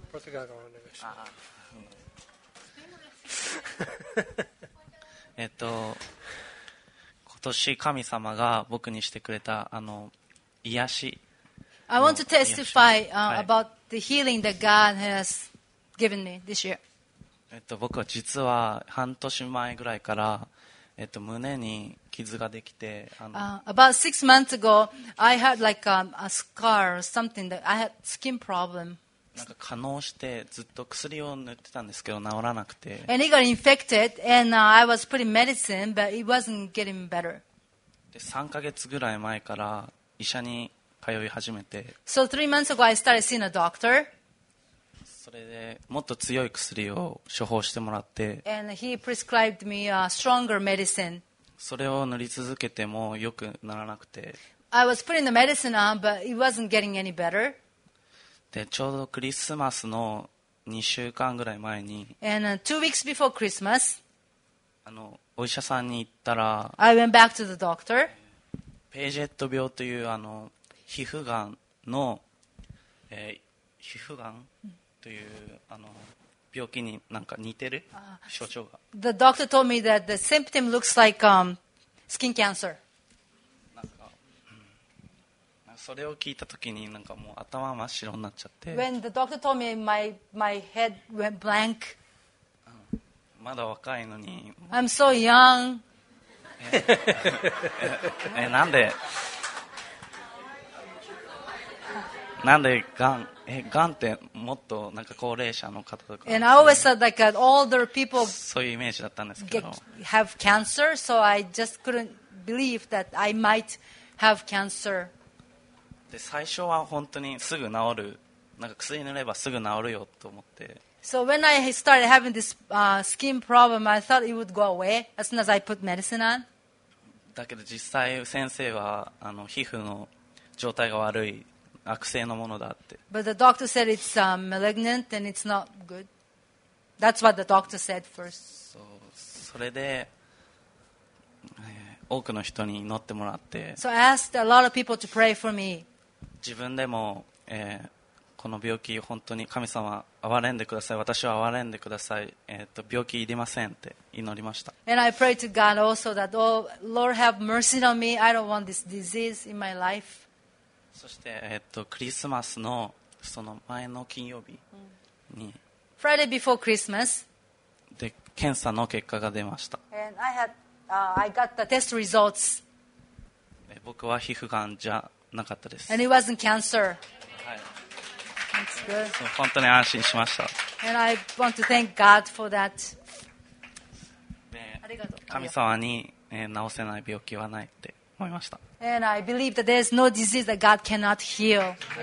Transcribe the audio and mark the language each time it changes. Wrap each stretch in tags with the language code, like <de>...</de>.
<ja>ポルトガル語お願いします。ああ。今年神様が僕にしてくれた癒し。</ja> <en>I want to testify about the healing that God has given me this year.</en> <ja>僕は実は半年前ぐらいから、胸に傷ができて、</ja> <en>About 6 months ago, I had like a scar or something that I had skin problem.</en> <ja>なんか化膿してずっと薬を塗ってたんですけど治らなくて。</ja> <en>And it got infected, and I was putting medicine, but it wasn't getting better.</en> <ja>で3ヶ月ぐらい前から医者に通い始めて。</ja> <en>So 3 months ago, I started seeing a doctor.</en> <ja>それでもっと強い薬を処方してもらって、</ja> <en>And he prescribed me a stronger medicine.</en> <ja>それを塗り続けても良くならなくて、</ja> <en>I was putting the medicine on, but it wasn't getting any better.</en> <ja>でちょうどクリスマスの2週間ぐらい前に、</ja> <en>And two weeks before Christmas,</en> <ja>お医者さんに行ったら、</ja> <en>I went back to the doctor.</en> <ja>ページェット病という皮膚がんの、皮膚がんという病気になんか似てる症状が。</ja> <en>The doctor told me that the symptom looks like skin cancer.</en> <ja>なんか、それを聞いたときになんかもう頭真っ白になっちゃって。</ja> <en>When the doctor told me my head went blank.</en> <ja>まだ若いのに。</ja> <en>I'm so young.</en> <ja>なんで。なんでがんってもっとなんか高齢者の方とか、</ja> <en>ね、And I always thought like older people</en> <ja>そういうイメージだったんですけど、</ja> <en>have cancer, so I just couldn't believe that I might have cancer.</en> <ja>で最初は本当にすぐ治る、なんか薬塗ればすぐ治るよと思って、</ja> <en>So when I started having this skin problem, I thought it would go away as soon as I put medicine on.</en> <ja>だけど実際先生はあの皮膚の状態が悪い悪性のものだって。</ja> <en>But the doctor said it's malignant and it's not good. That's what the doctor said first.</en> <ja>So, それで、多くの人に祈ってもらって。</ja> <en>So I asked a lot of people to pray for me.</en> <ja>自分でも、この病気本当に神様憐れんでください私は憐れんでください、病気いりませんって祈りました。</ja> <en>And I pray to God also that, oh, Lord have mercy on me. I don't want this disease in my life.</en> <ja>そして、クリスマスのその前の金曜日に、</ja> <en>Friday before Christmas.</en> <ja>で検査の結果が出ました。</ja> <en>And I had, I got the test results.</en> <ja>僕は皮膚がんじゃなかったです。</ja> <en>And it wasn't cancer.</en> <ja>はい、本当に安心しました。</ja> <en>And I want to thank God for that.</en> <ja>神様に治せない病気はないって思いました。</ja> <en>And I believe that there's no disease that God cannot heal.</en>